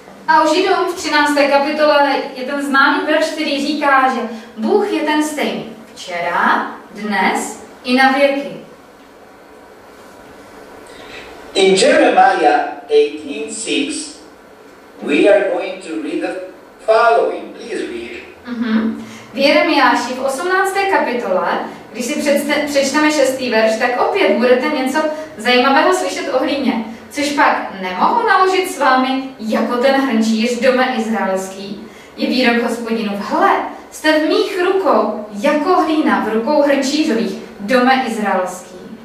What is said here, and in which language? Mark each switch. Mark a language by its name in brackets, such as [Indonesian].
[Czech] A u Židům v 13. kapitole je ten známý verš, který říká, že Bůh je ten stejný včera, dnes i na věky. [English] In Jeremiah 18:6 we are going to read the following. Please read. [Czech] V Jeremiáši v 18. kapitole, když si přečteme 6. verš, tak opět budete něco zajímavého slyšet o hlíně, což pak nemohu naložit s vámi jako ten hrnčíř dome izraelský. Je výrok Hospodinův, hle, jste v mých rukou jako hlína v rukou hrnčířových dome izraelský.